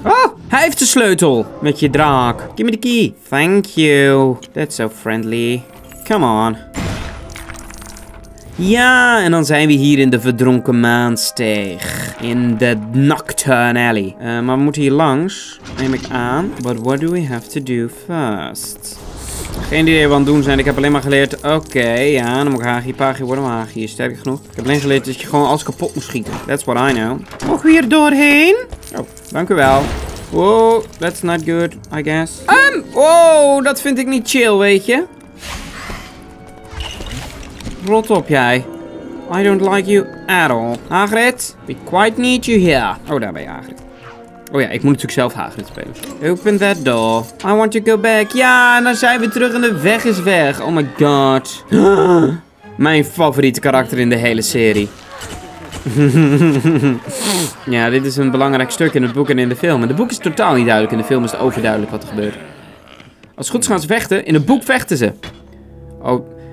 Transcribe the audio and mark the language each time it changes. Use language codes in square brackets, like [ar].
[nl] Oh, hij heeft de sleutel met je draak. [en] Give me the key. Thank you. That's so friendly. Come on. [nl] Ja, en dan zijn we hier in de verdronken maansteeg. In de Nocturne Alley. Maar we moeten hier langs, neem ik aan. [en] But what do we have to do first? [nl] Geen idee wat we aan het doen zijn. Ik heb alleen maar geleerd... Oké, ja, dan moet ik hagiepagie worden. Maar hagie is sterk genoeg. Ik heb alleen geleerd dat je gewoon alles kapot moet schieten. [en] That's what I know. [nl] Mogen we hier doorheen? Oh, dank u wel. [en] Wow, that's not good, I guess. [nl] Wow, dat vind ik niet chill, weet je. Rot op jij. [en] I don't like you at all. Hagrid, we quite need you here. [nl] Oh, daar ben je, Hagrid. Oh ja, ik moet natuurlijk zelf Hagrid spelen. [en] Open that door. I want to go back. [nl] Ja, en dan zijn we terug en de weg is weg. Oh my god. Mijn favoriete karakter in de hele serie. Ja, dit is een belangrijk stuk in het boek en in de film. En de boek is totaal niet duidelijk. In de film is het overduidelijk wat er gebeurt. Als het goed is gaan ze vechten. In het boek vechten ze. Oh...